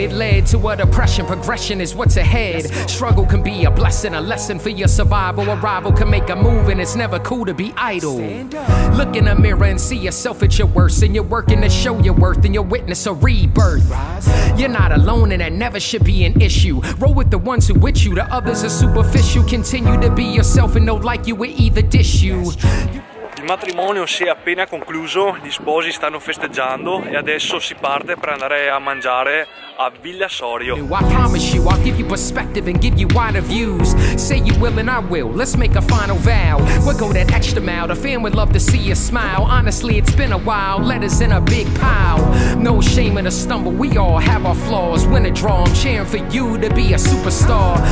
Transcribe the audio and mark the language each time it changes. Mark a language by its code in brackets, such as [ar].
[en] It led to a depression, progression is what's ahead. Struggle can be a blessing, a lesson for your survival. A rival can make a move and it's never cool to be idle. Look in the mirror and see yourself at your worst. And you're working to show your worth and you'll witness a rebirth. You're not alone and that never should be an issue. Roll with the ones who with you, the others are superficial. Continue to be yourself. [it] Il matrimonio si è appena concluso, gli sposi stanno festeggiando e adesso si parte per andare a mangiare a Villa Sorio. [en] I promise you, I'll give you perspective and give you wider views. Say you will and I will, let's make a final vow. We'll go that extra mile, the fan would love to see you smile. Honestly, it's been a while, letters in a big pile. No shame in a stumble, we all have our flaws. Win a draw, I'm cheering for you to be a superstar.